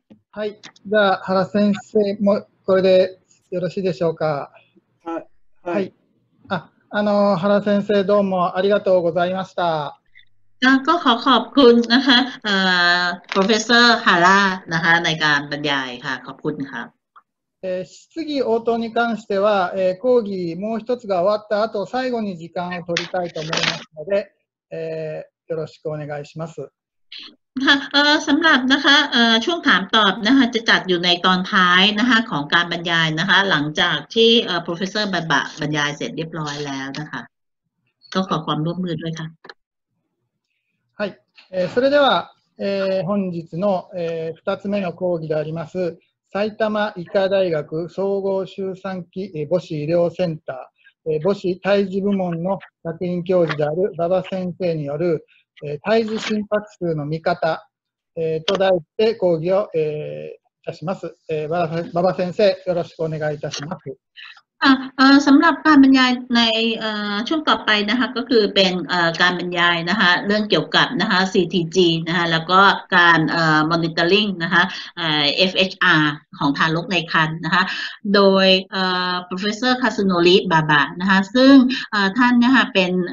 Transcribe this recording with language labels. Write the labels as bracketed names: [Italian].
[Japanese] はい、じゃあ原先生もこれでよろしいでしょうか。はい、はい、原先生どうもありがとうございました。 [Thai] ก็ขอขอบคุณนะคะProfessor Haran นะคะในการบรรยายค่ะขอบคุณครับ [Japanese] 質疑応答に関しては講義もう一つが終わった後最後に時間を取りたいと思いますのでよろしくお願いします。 [Thai] สำหรับนะคะช่วงถามตอบนะคะจะจัดอยู่ในตอนท้ายนะคะของการบรรยายนะคะหลังจากที่Professor Baba บรรยายเสร็จเรียบร้อยแล้วนะคะก็ขอความร่วมมือด้วยค่ะ [Japanese] はい、それでは、本日の、2つ目の講義であります埼玉医科大学総合周産期母子医療センター母子胎児部門の客員教授である馬場先生による、胎児心拍数の見方、と題して講義を、いたします、馬場先生よろしくお願いいたします。 [Thai] สำหรับการบรรยายในช่วงต่อไปนะคะก็คือเป็นการบรรยายนะคะเรื่องเกี่ยวกับนะคะ CTG นะคะแล้วก็การมอนิเตอร์ลิงนะคะFHR ของทารกในครรภ์นะคะโดยProfessor Kazunori Baba นะคะซึ่งท่านนะคะเป็น